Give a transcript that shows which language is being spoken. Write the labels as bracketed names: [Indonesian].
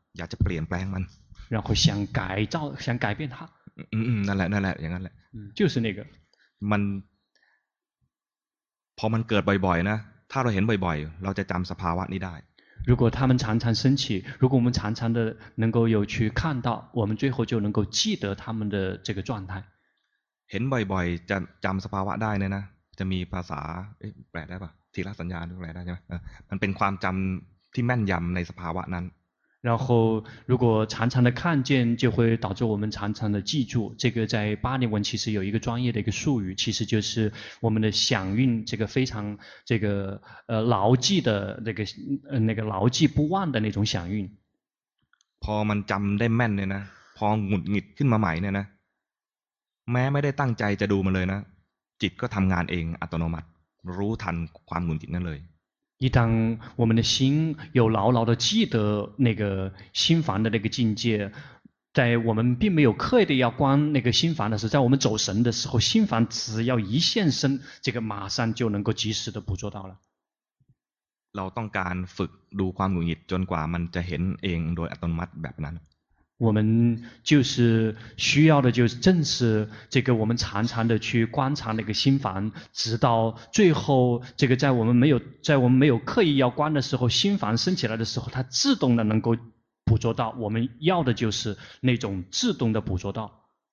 [Thai] อยากจะเปลี่ยนแปลงมัน [Chinese] 然后想改造想改变它 [Thai] 嗯嗯那那那อย่างนั้นแหละ [Chinese] 就是那个 [Thai] มันพอมันเกิดบ่อยๆนะถ้าเราเห็นบ่อยๆเราจะจำสภาวะนี้ได้ [Chinese] 如果他们常常升起如果我们常常的能够有去看到我们最后就能够记得他们的这个状态 [Thai] เห็นบ่อยๆจะจำสภาวะได้นะจะมีภาษาเอ๊ะแปลได้ป่ะทีละสัญญาณอะไรได้ใช่ไหมมันเป็นความจำที่แม่นยำในสภาวะนั้น [Chinese] 然后如果常常的看见就会导致我们常常的记住这个在巴利文其实有一个专业的一个术语其实就是我们的响应这个非常这个牢记的那个牢记不忘的那种响应 [Thai] พอมันจำได้แม่นเนี่ยนะพอหงุดหงิดขึ้นมาใหม่เนี่ยนะแม้ไม่ได้ตั้งใจจะดูมันเลยนะจิตก็ทำงานเองอัตโนมัติรู้ทันความหงุดหงิดนั่นเลย [Chinese] 一旦我们的心有牢牢的记得那个心烦的那个境界在我们并没有刻意的要观那个心烦的时候在我们走神的时候心烦只要一现身这个马上就能够及时的捕捉到了 [Thai] เราต้องการฝึกดูความหงุดหงิดจนกว่ามันจะเห็นเองโดยอัตโนมัติแบบนั้น [Chinese] 我们就是需要的就是正是这个我们常常的去观察那个心烦直到最后这个在我们没有刻意要观的时候心烦升起来的时候它自动的能够捕捉到我们要的就是那种自动的捕捉到